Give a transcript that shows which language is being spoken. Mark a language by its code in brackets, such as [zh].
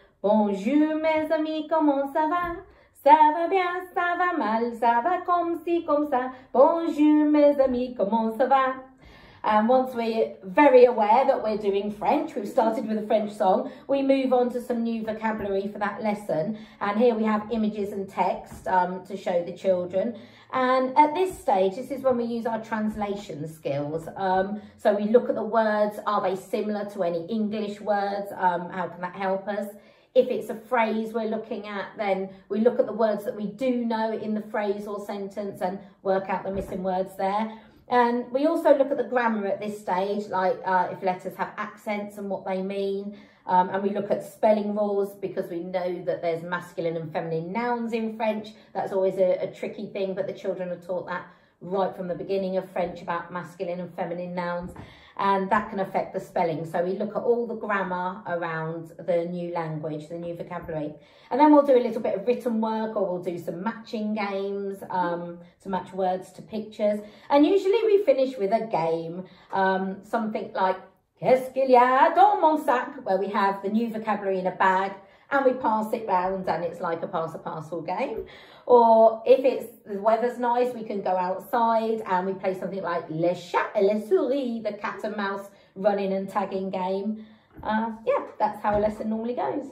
[fr] Bonjour, mes amis, comment ça va? Ça va bien, ça va mal, ça va comme ci, comme ça. Bonjour, mes amis, comment ça va? [en] And once we're very aware that we're doing French, we've started with a French song, we move on to some new vocabulary for that lesson. And here we have images and text to show the children. And at this stage, this is when we use our translation skills. So we look at the words, are they similar to any English words? How can that help us? If it's a phrase we're looking at, then we look at the words that we do know in the phrase or sentence and work out the missing words there. And we also look at the grammar at this stage, like if letters have accents and what they mean. And we look at spelling rules because we know that there's masculine and feminine nouns in French. That's always a tricky thing, but the children are taught that right from the beginning of French about masculine and feminine nouns. And that can affect the spelling. So we look at all the grammar around the new language, the new vocabulary. And then we'll do a little bit of written work or we'll do some matching games to match words to pictures. And usually we finish with a game, something like [fr] Qu'est-ce qu'il y a dans mon sac? [en] Where we have the new vocabulary in a bag and we pass it round and it's like a pass a parcel game. Or if it's the weather's nice, we can go outside and we play something like Le Chat et la Souris, the cat and mouse running and tagging game. Yeah, that's how a lesson normally goes.